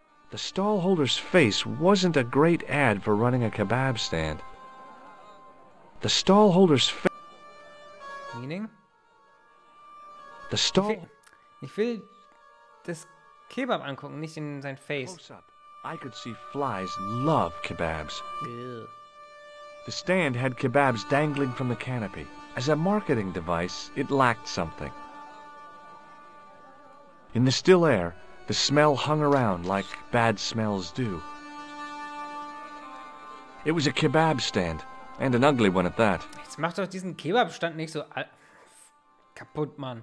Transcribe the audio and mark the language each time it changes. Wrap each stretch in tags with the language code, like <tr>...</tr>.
<en>The stallholder's face wasn't a great ad for running a kebab stand. The stallholder's face... Meaning? The stall...</en> <de>Ich will das Kebab angucken, nicht in sein Face.</de> <en>Close up. I could see flies love kebabs. Ew. The stand had kebabs dangling from the canopy. As a marketing device, it lacked something. In the still air, the smell hung around like bad smells do. It was a kebab stand, and an ugly one at that.</en> <de>Jetzt mach doch diesen Kebabstand nicht so kaputt, Mann.</de>